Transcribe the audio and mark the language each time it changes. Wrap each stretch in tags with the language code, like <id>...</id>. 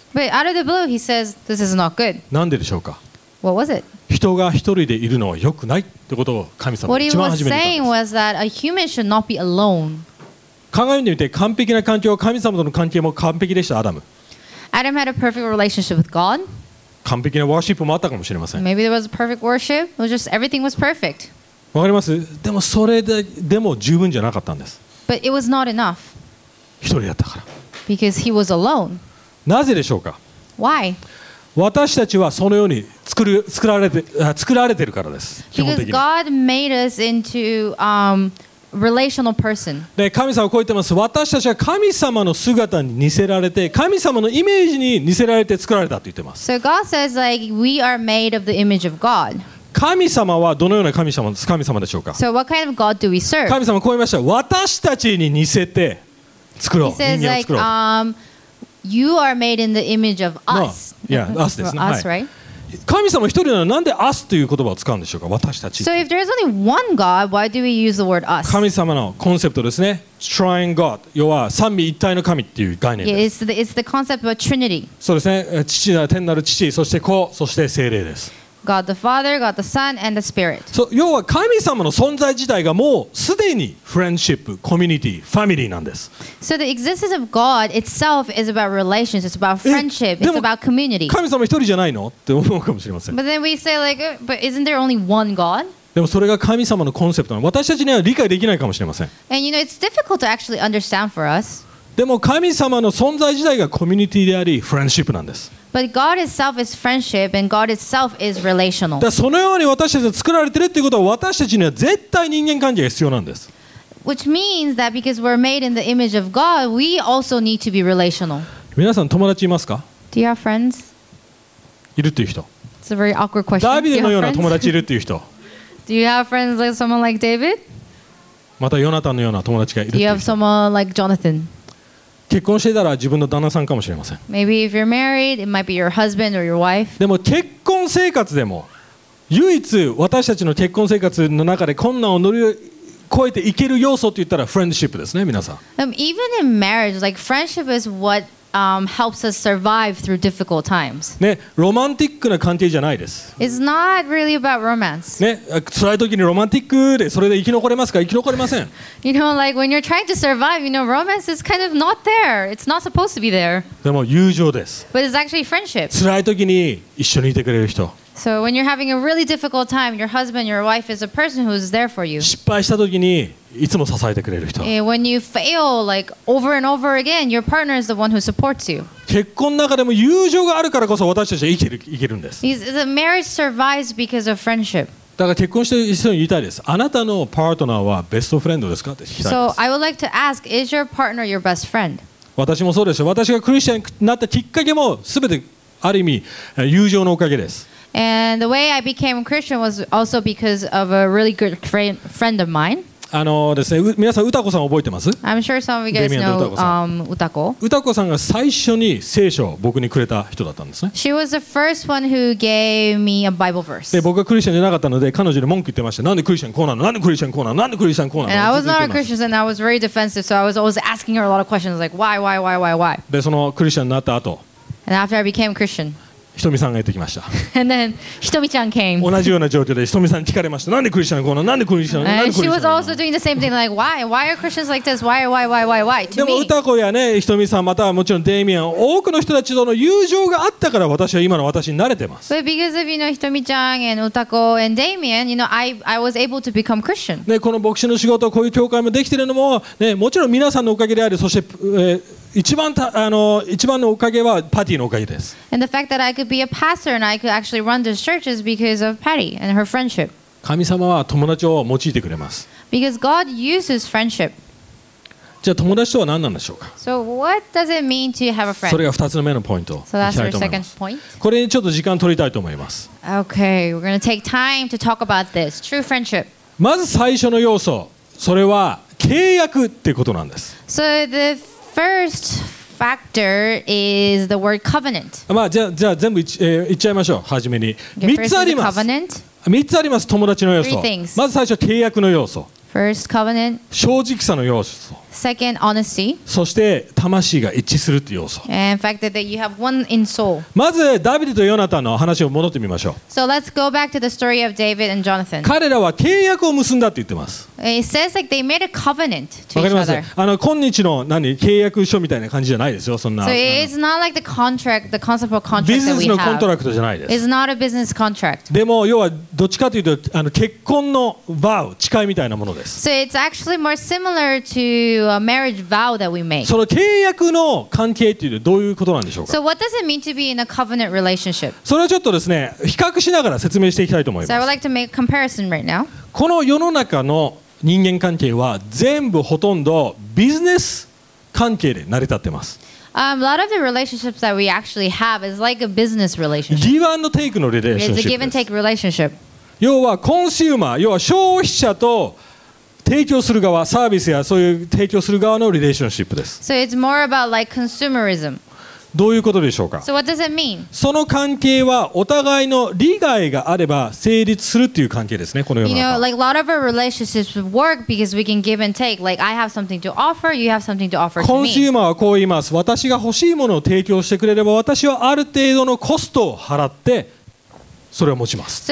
<en>But out of the blue, he says, this is not good.</en> <ja>なんででしょうか。</ja> <en>What was it?</en> <ja>人が一人でいるのは良くないってことを神様が一番初めて言ったんです。</ja> <en>What he was saying was that a human should not be alone.</en> <ja>考えてみて、完璧な環境、神様との関係も完璧でした、アダム。</ja> <en>Adam had a perfect relationship with God.</en> <ja>完璧なワーシップもあったかもしれません。</ja> <en>Maybe there was a perfect worship. It was just everything was perfect.</en> <ja>わかります。でもそれでも十分じゃなかったんです。</ja> <en>But it was not enough.</en> <ja>一人だったから。</ja> <en>Because he was alone.</en> <ja>なぜでしょうか。</ja> <en>Why?</en> <ja>私たちはそのように作られてるからです。基本的に。</ja> <en>Because God made us into relational person.</en> <ja>で、神様はこう言ってます。私たちは神様の姿に似せられて、神様のイメージに似せられて作られたと言ってます。</ja> <en>So God says like we are made of the image of God.</en> <ja>神様はどのような神様でしょうか。</ja> <en>So what kind of God do we serve?</en> <ja>神様はこう言いました。私たちに似せて作ろう。</ja> <en>He says like, you are made in the image of us. No, yeah, us</en> <ja>ですね。</ja> <en>Us, right?</en> <ja>神様一人ならなんで us という言葉を使うんでしょうか私たち。</ja> <en>So if there is only one God, why do we use the word us?</en> <ja>神様のコンセプトですね。</ja> <en>Triune God,</en> <ja>要は三位一体の神っていう概念です。</ja> <en>Yeah, it's the concept of a Trinity.</en> <ja>そうですね。父なる天なる父、そして子、そして聖霊です。</ja> <en>God the Father, God the Son, and the Spirit.</en> <ja>So, 要は神様の存在自体がもうすでにフレンシップ、コミュニティ、ファミリーなんです。</ja> <en>So the existence of God itself is about relations, it's about friendship, it's about community.</en> <ja>神様一人じゃないの？って思うかもしれません。</ja> <en>But then we say like, but isn't there only one God?</en> <ja>でもそれが神様のコンセプトなの。私たちには理解できないかもしれません。</ja> <en>And you know, it's difficult to actually understand for us.</en> <ja>でも神様の存在自体がコミュニティであり、フレンシップなんです。</ja> <en>But God itself is friendship and God itself is relational.</en> <ja>だからそのように私たちが作られてるっていうことは私たちには絶対人間関係が必要なんです。</ja> <en>Which means that because we're made in the image of God, we also need to be relational.</en> <ja>皆さん友達いますか？</ja> <en>Do you have friends?</en> <ja>いるっていう人。</ja> <en>It's a very awkward question.</en> <ja>ダビデのような友達いるっていう人。</ja> <en>Do you have friends like someone like David?</en> <ja>またヨナタンのような友達がいる。</ja> <en>Do you have someone like Jonathan?</en> <ja>結婚していたら自分の旦那さんかもしれません。</ja> <en>Maybe if you're married, it might be your husband or your wife.</en> <ja>でも結婚生活でも唯一私たちの結婚生活の中で困難を乗り越えていける要素といったらフレンドシップですね、皆さん。</ja> <en>Even in marriage, like friendship is what helps us survive through difficult times.</en> <ja>ね、ロマンティックな関係じゃないです。</ja> <en>It's not really about romance.</en> <ja>ね、辛い時にロマンティックでそれで生き残れますか？生き残れません。</ja> <en>You know, like when you're trying to survive, you know, romance is kind of not there. It's not supposed to be there.</en> <ja>でも友情です。</ja> <en>But it's actually friendship.</en> <ja>辛い時に一緒にいてくれる人。</ja> <en>So when you're having a really difficult time, your husband, your wife is a person who is there for you.</en> <ja>失敗した時にいつも支えてくれる人。</ja> <en>When you fail, like over and over again, your partner is the one who supports you.</en> <ja>結婚の中でも友情があるからこそ私たちは生きるんです。</ja> <en>The marriage survives because of friendship.</en> <ja>だから結婚してる人に言いたいです。あなたのパートナーはベストフレンドですかって聞きたいです。</ja> <en>So I would like to ask, is your partner your best friend?</en> <ja>私もそうですよ。私がクリスチャンになったきっかけも全てある意味友情のおかげです。</ja> <en>And the way I became a Christian was also because of a really good friend of mine.</en> <ja>あのですね、皆さん、うたこさん覚えてます？</ja> <en>I'm sure some of you guys know Utako.</en> <ja>Utako さんが最初に聖書を僕にくれた人だったんですね。</ja> <en>She was the first one who gave me a Bible verse.</en> <ja>で、僕がクリスチャンじゃなかったので、彼女に文句言ってました。なんでクリスチャンこうなの？なんでクリスチャンこうなの？なんでクリスチャンこうなの？</ja> <en>And I was not a Christian and I was very defensive, so I was always asking her a lot of questions like why?</en> <ja>で、そのクリスチャンになった後。</ja> <en>And after I became a Christian.</en> <ja>ひとみさんがやってきました。</ja> <en>And then, ひとみちゃん came.</en> <ja>同じような状況でひとみさんに聞かれました。なんでクリスチャンがこうなの？なんでクリスチャンがこうなの？なんでクリスチャンがこうなの？</ja> <en>She was also doing the same thing, like, why are Christians like this? Why? To me.</en> <ja>でも、うたこやね、ひとみさん、またはもちろんデイミアン、多くの人たちとの友情があったから私は今の私に慣れてます。</ja> <en>But because of, you know, ひとみちゃん and うたこ and Damien, you know, I was able to become Christian.</en> <ja>ね、この牧師の仕事、こういう教会もできてるのも、ね、もちろん皆さんのおかげであり、そして、一番のおかげはパティのおかげです。</ja> <en>And the fact that I could be a pastor and I could actually run this church is because of Patty and her friendship.</en> <ja>神様は友達を用いてくれます。</ja> <en>Because God uses friendship.</en> <ja>じゃあ友達とは何なんでしょうか。</ja> <en>So what does it mean to have a friend?</en> <ja>それが二つ目のポイント。</ja> <en>So that's your second point.</en> <ja>これにちょっと時間取りたいと思います。</ja> <en>Okay, we're gonna take time to talk about this true friendship.</en> <ja>まず最初の要素、それは契約ってことなんです。</ja> <en>So the first factor is the word covenant.</en> <ja>まあじゃあ全部いっちゃいましょう。はじめに三つあります。Covenant. 三つあります。友達の要素。まず最初契約の要素。</ja> <en>First covenant.</en> <ja>正直さの要素。</ja> <en>Second honesty.</en> <ja>そして魂が一致するという要素。</ja> <en>And fact that you have one in soul.</en> <ja>まずダビデとヨナタンの話を戻ってみましょう。</ja> <en>So let's go back to the story of David and Jonathan.</en> <ja>彼らは契約を結んだって言ってます。</ja> <en>It says like they made a covenant to each other.</en> <ja>わかります。あの今日の何契約書みたいな感じじゃないですよ。そんな。</ja> <en>So it's not like the contract, the concept of contract that we have.</en> <ja>ビジネスのコントラクトじゃないです。</ja> <en>It's not a business contract.</en> <ja>でも要はどっちかというとあの結婚のバウ誓いみたいなものです。</ja> <en>So it's actually more similar to a marriage vow that we make.</en> <ja>その契約の関係っていうのはどういうことなんでしょうか。</ja> <en>So what does it mean to be in a covenant relationship?</en> <ja>それはちょっとですね比較しながら説明していきたいと思います。</ja> <en>So I would like to make a comparison right now.</en> <ja>この世の中の人間関係は全部ほとんどビジネス関係で成り立ってます。</ja> <en>A lot of the relationships that we actually have is like a business relationship.</en> <ja>ギブアンドテイクのリレーションシップ。</ja> <en>It's a give and take relationship.</en> <ja>要はコンシューマー、要は消費者と提供する側、サービスやそういう提供する側のリレーションシップです。</ja> <en>So it's more about like consumerism.</en> <ja>どういうことでしょうか。</ja> <en>So what does it mean?</en> <ja>その関係はお互いの利害があれば成立するという関係ですね、この世の中。</ja> <en>You know, like a lot of our relationships work because we can give and take. Like I have something to offer, you have something to offer to me.</en> <ja>コンシューマーはこう言います。私が欲しいものを提供してくれれば、私はある程度のコストを払ってそれを持ちます。</ja>